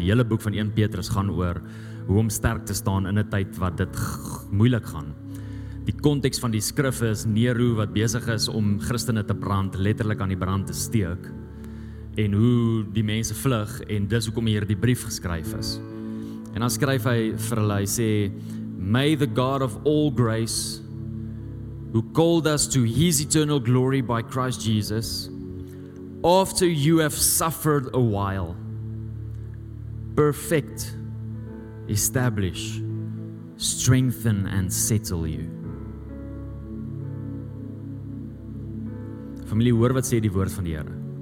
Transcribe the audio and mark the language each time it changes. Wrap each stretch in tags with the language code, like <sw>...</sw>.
<af>Die hele boek van 1 Petrus gaan oor hoe om sterk te staan in 'n tyd wat dit moeilik gaan. Die konteks van die skrif is Nero wat besig is om Christene te brand, letterlik aan die brand te steek, en hoe die mense vlug, en dis hoekom hier die brief geskryf is. En dan skryf hy vir hulle, hy sê,</af> <en>may the God of all grace, who called us to his eternal glory by Christ Jesus, after you have suffered a while, perfect, establish, strengthen and settle you.</en> <af>Familie, hoor wat sê die woord van die Here.</af>